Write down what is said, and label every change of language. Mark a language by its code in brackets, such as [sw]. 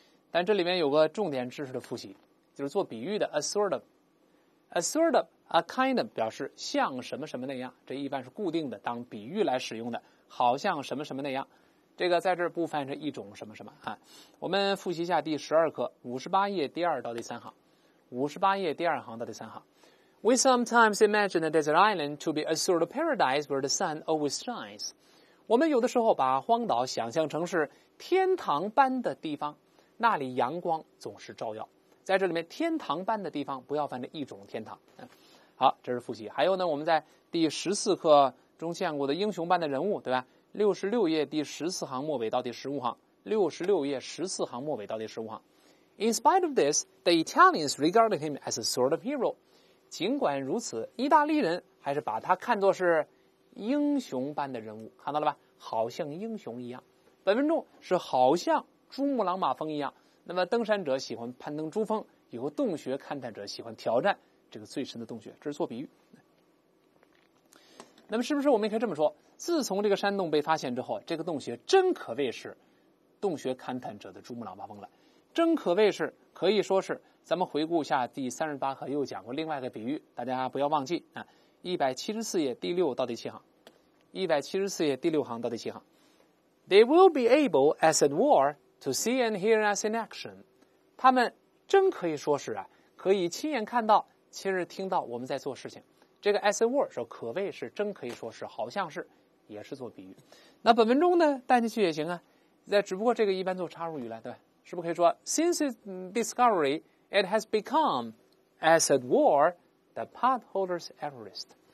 [zh] 但这里面有个重点知识的复习，就是做比喻的 a sort of a kind of 表示像什么什么那样，这一般是固定的当比喻来使用的，好像什么什么那样，这个在这儿不翻译成一种什么什么啊？我们复习一下第12课58页第二到第三行，58页第二行到第三行。 [en] We sometimes imagine the desert island to be a sort of paradise where the sun always shines. [zh] 我们有的时候把荒岛想象成是天堂般的地方，那里阳光总是照耀。在这里面天堂般的地方不要翻译成一种天堂。好，这是复习。还有呢，我们在第14课中见过的英雄般的人物，对吧？ 66页第14行末尾到第15行，66页14行末尾到第15行。 [en] In spite of this, the Italians regarded him as a sort of hero. [zh] 尽管如此，意大利人还是把他看作是英雄般的人物，看到了吧？好像英雄一样。本文中是好像珠穆朗玛峰一样，那么登山者喜欢攀登珠峰，以后洞穴勘探者喜欢挑战这个最深的洞穴，这是做比喻。那么是不是我们也可以这么说，自从这个山洞被发现之后，这个洞穴真可谓是洞穴勘探者的珠穆朗玛峰了，真可谓是，可以说是。咱们回顾一下第38课又讲过另外一个比喻，大家不要忘记啊。 174页第6到第7行，174页第6行到第7行。 [en] They will be able, as it were, to see and hear us in action. [zh] 他们真可以说是啊，可以亲眼看到，亲耳听到我们在做事情。这个 as a word 说可谓是，真可以说是，好像是，也是做比喻。那本文中呢，带进去也行啊，在只不过这个一般做插入语了，对吧？是不是可以说 [en] since its discovery, it has become, as a word, the potholder's Everest?